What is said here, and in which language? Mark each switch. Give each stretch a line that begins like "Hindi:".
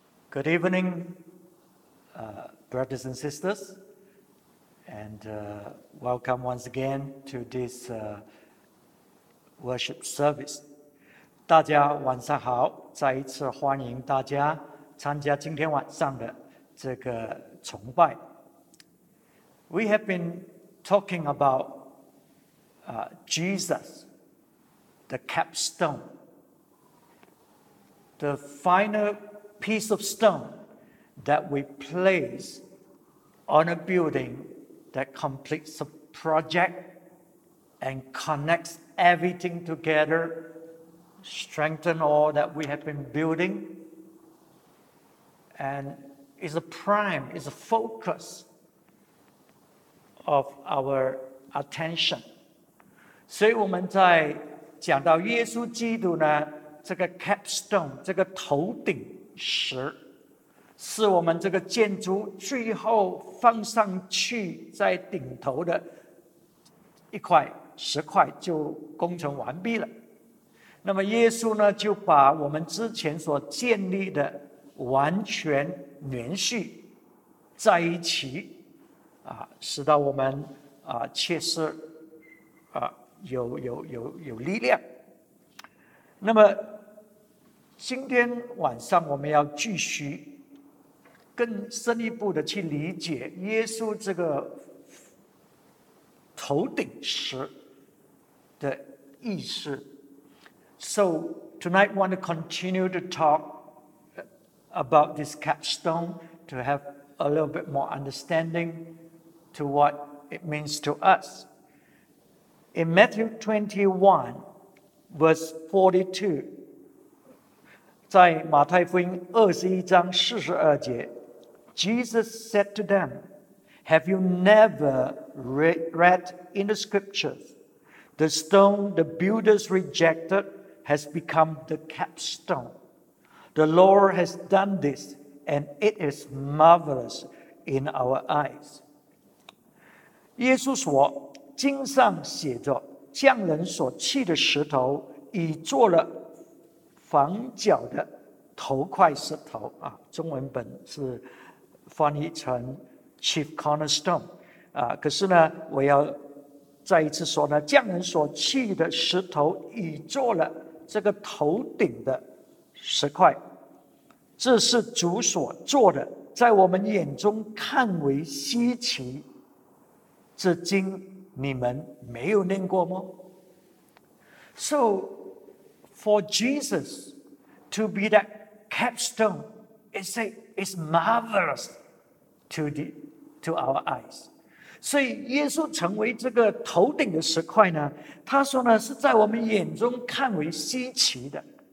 English: Good evening, brothers and sisters, and welcome once again to this worship service.
Chinese: 大家晚上好，再一次欢迎大家参加今天晚上的这个崇拜。
English: We have been talking about Jesus, the capstone, the final piece of stone that we place on a building that completes a project and connects everything together, strengthen all that we have been building, and is a prime, is a focus of our attention.
Chinese: 所以我们在讲到耶稣基督呢，这个 capstone, 这个头顶石，是我们这个建筑最后放上去在顶头的一块石块就工程完毕了。那么耶稣呢，就把我们之前所建立的完全连续在一起，使到我们确实有力量。那么今天晚上我们要继续更深一步的去理解耶稣这个头顶石的意思。
English: So tonight we want to continue to talk about this capstone to have a little bit more understandingto what it means to us. In Matthew 21, verse 42,
Chinese: 在马太福音21章42节
English: Jesus said to them, Have you never read in the scriptures, the stone the builders rejected has become the capstone. The Lord has done this, and it is marvelous in our eyes.
Chinese: 耶稣说，经上写着，匠人所砌的石头已做了房角的头块石头，中文本是翻译成
English: chief cornerstone,
Chinese: 可是呢，我要再一次说呢，匠人所砌的石头已做了这个头顶的石块，这是主所做的，在我们眼中看为稀奇，至今你们没有念过吗？
English: So for Jesus to be that capstone, it's marvelous to our eyes.
Chinese: 所以耶稣成为这个头顶的石块呢，他说呢，是在我们眼中看为稀奇的。